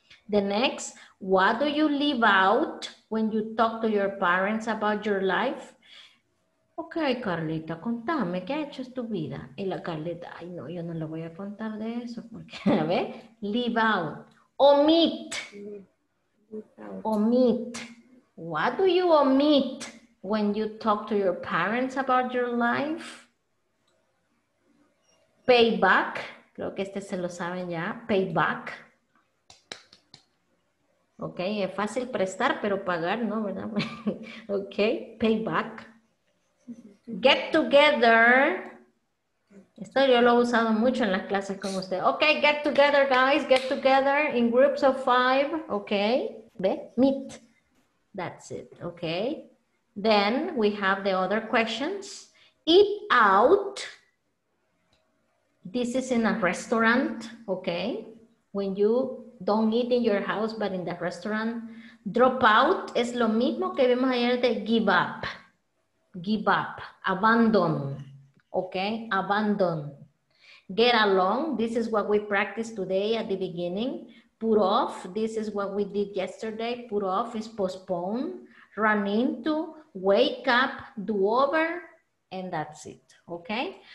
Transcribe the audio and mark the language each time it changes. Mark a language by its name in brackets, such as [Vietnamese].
[English] The next, what do you leave out when you talk to your parents about your life? [Spanish] Ok, Carlita, contame, ¿qué ha hecho en tu vida? Y la Carlita, ay no, yo no le voy a contar de eso, porque, a ver, [English] leave out, omit, omit. What do you omit when you talk to your parents about your life? [Spanish] Payback, creo que este se lo saben ya, payback. Ok, es fácil prestar, pero pagar, ¿no? ¿Verdad? Ok, payback. [English] Get together. [Spanish] Esto yo lo he usado mucho en las clases con usted. [English] Ok, get together, guys. Get together in groups of 5. Ok. Ve, meet. That's it. Ok. Then we have the other questions. Eat out. This is in a restaurant. Ok. When you don't eat in your house, but in the restaurant. [Spanish] Drop out es lo mismo que vimos ayer de give up. [English] Give up, abandon, okay, abandon. Get along, this is what we practiced today at the beginning. Put off, this is what we did yesterday. Put off is postpone. Run into, wake up, do over, and that's it, okay?